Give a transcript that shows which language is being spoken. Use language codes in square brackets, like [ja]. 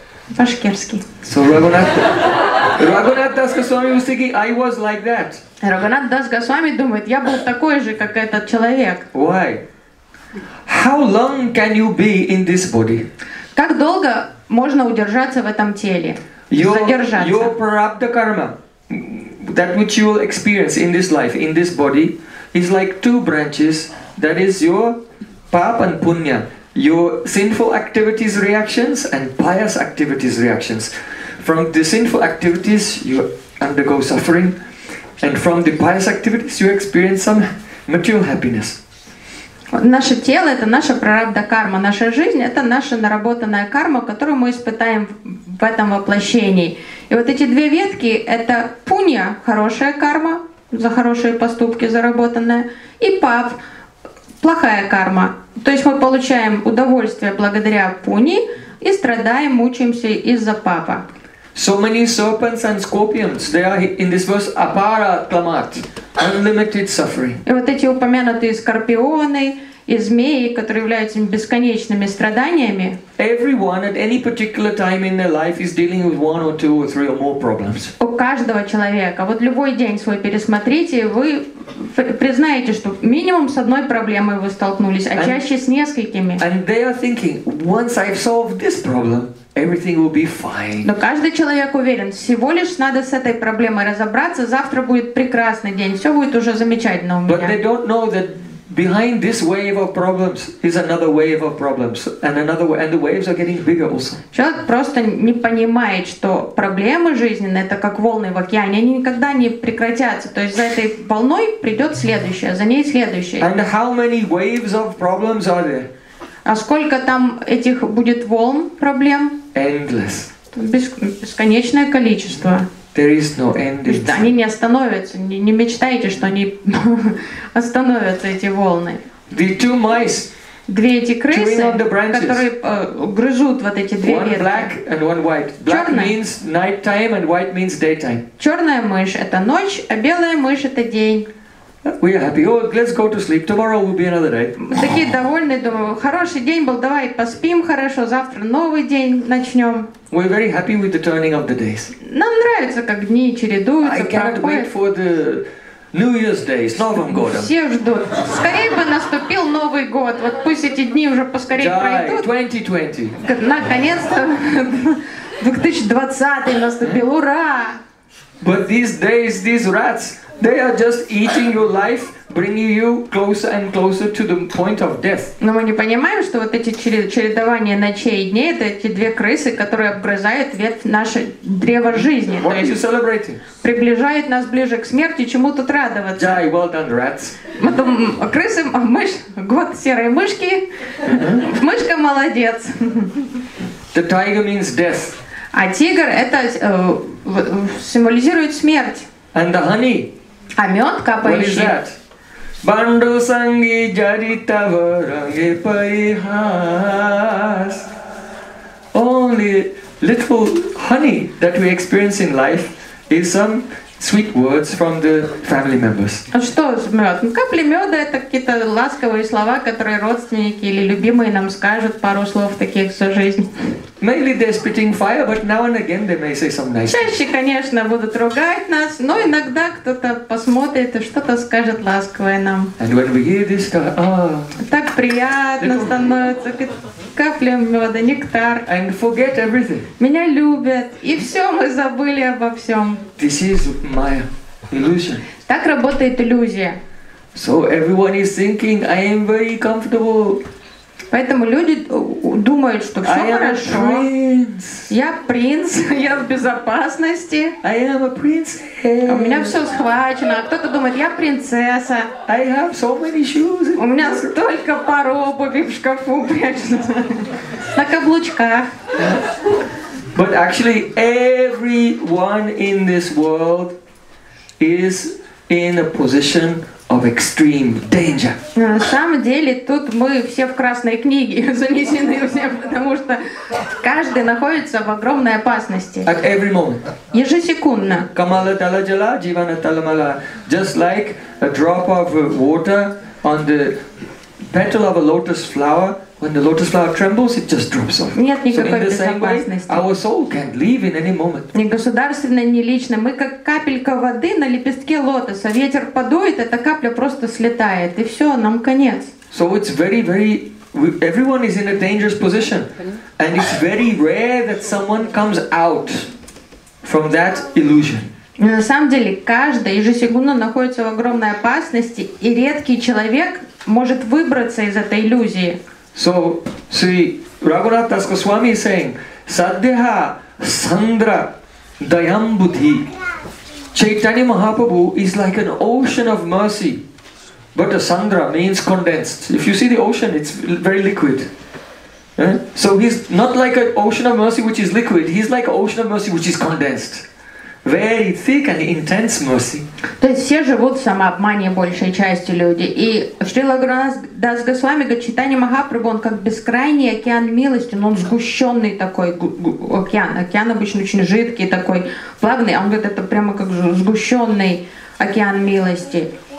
[ru] Башкирский. [en] So Raghunath Das Goswami was thinking, I was like that. [ru] Raghunath Das Goswami думает, я был такой же, как этот человек. [en] Why? How long can you be in this body? [ru] Как долго можно удержаться в этом теле? Задержаться. [en] Your prarabdha karma, that which you will experience in this life, in this body, is like two branches. That is your pap and punya, your sinful activities reactions and pious activities reactions. From the sinful activities you undergo suffering, and from the pious activities you experience some material happiness. [ru] Наше тело — это наша прарабдха карма, наша жизнь — это наша наработанная карма, которую мы испытаем в этом воплощении. И вот эти две ветки — это пунья, хорошая карма, за хорошие поступки заработанная, и пав, плохая карма. То есть мы получаем удовольствие благодаря пуньи и страдаем, мучаемся из-за пава. [en] So many serpents and scorpions, they are in this verse apara tamat, unlimited suffering. [ru] И вот эти упомянутые скорпионы и змеи, которые являются бесконечными страданиями. [en] Everyone at any particular time in their life is dealing with one or two or three or more problems. [ru] У каждого человека, вот любой день свой пересмотрите, вы признаете, что минимум с одной проблемой вы столкнулись, а чаще с несколькими. [en] And they are thinking, once I've solved this problem, everything will be fine. [ru] Но каждый человек уверен, всего лишь надо с этой проблемой разобраться, завтра будет прекрасный день, все будет уже замечательно у меня. [en] But they don't know that behind this wave of problems is another wave of problems, and another wave, and the waves are getting bigger also. [ru] Человек просто не понимает, что проблемы жизненные — это как волны в океане, они никогда не прекратятся. То есть за этой волной придет следующая, за ней следующая. [en] And how many waves of problems are there? [ru] А сколько там этих будет волн проблем? [en] Endless. [ru] Бесконечное количество. [en] There is no end. [ru] Они не остановятся. Не мечтайте, что они остановятся, эти волны. [en] The two mice. [ru] Две эти крысы, которые грызут вот эти две ветки. [en] One black and one white. Black means night time and white means daytime. [ru] Черная мышь — это ночь, а белая мышь — это день. [en] We are happy. Oh, let's go to sleep. Tomorrow will be another day. [ru] Мы такие довольные, думаю, хороший день был. Давай поспим хорошо. Завтра новый день начнем. [en] We're very happy with the turning of the days. [ru] Нам нравится, как дни чередуются. [en] I can't wait for the New Year's Day, [ru] с Новым годом. Все ждут. Скорее бы наступил Новый год. Вот пусть эти дни уже поскорее [en] Die. [ru] Пройдут. [en] 2020. [ru] Наконец-то 2020 наступил. Ура! [en] But these days, these rats. They are just eating your life, bringing you closer and closer to the point of death. [ru] Но мы не понимаем, что вот эти чередование ночей и дней — это эти две крысы, которые обгрызают ветвь наше древо жизни. [en] What are you celebrating? [ru] Приближает нас ближе к смерти, чему тут радоваться? [en] Die, well done, rats. [ru] Мы думаем, крысы, мышь, год серой мышки, мышка молодец. [en] The tiger means death. [ru] А тигр — это символизирует смерть. [en] And the honey. [ru] А мед капающий. [en] What is that? [sa] Bandhu sangi jarita varange paihas. [en] Only little honey that we experience in life is some sweet words from the family members. [ru] А что с мед? Капли меда — это какие-то ласковые слова, которые родственники или любимые нам скажут, пару слов таких всю жизнь. [en] Mainly they're spitting fire, but now and again they may say some nice. [ru] Чаще, конечно, будут ругать нас, но иногда кто-то посмотрит и что-то скажет ласковое нам. [en] And when we hear this, [ru] так приятно становится. Капля меда, нектар. [en] And forget everything. [ru] Меня любят, и все, мы забыли обо всем. [en] This is my illusion. [ru] Так работает иллюзия. [en] So everyone is thinking, I am very comfortable. [ru] Поэтому люди думают, что все [en] I am [ru] хорошо. [en] A prince. [ru] Я принц, я в безопасности. [en] I am a princess. [ru] У меня все схвачено. А кто-то думает, я принцесса. [en] I have so many shoes. [ru] У меня столько пар обуви в шкафу прячется. На каблучках. [en] But actually, everyone in this world is in a position of extreme danger. [ru] На самом деле, тут мы все в красной книге занесены все, потому что каждый находится в огромной опасности. [en] At every moment. [ru] Ежесекундно. [sa] Камала тала джала, дживана тала мала. [en] Just like a drop of water on the petal of a lotus flower, when the lotus flower trembles, it just drops off. [ru] Нет никакой безопасности. [en] So in the same way, our soul can leave in any moment. [ru] Ни государственное, ни личное. Мы как капелька воды на лепестке лотоса. Ветер подует, эта капля просто слетает, и все, нам конец. [en] So it's very, very. Everyone is in a dangerous position, and it's very rare that someone comes out from that illusion. На самом деле, каждый ежесекундно находится в огромной опасности, и редкий человек может выбраться из этой иллюзии. So, see, Raghunath Das Goswami is saying, [sa] Saddeha Sandra Dayam Buddhi. [en] Chaitanya Mahaprabhu is like an ocean of mercy. But a Sandra means condensed. If you see the ocean, it's very liquid. Yeah? So he's not like an ocean of mercy which is liquid, he's like an ocean of mercy which is condensed. Very thick and intense mercy. [ru] То есть все живут в самообмане большей частью люди. И Шрила Гуранас Дас Госвами говорит, Чайтанья Махапрабху, он как бескрайний океан милости, но он сгущенный такой океан. Океан обычно очень жидкий такой, плавный, а он говорит, это прямо как сгущенный океан милости.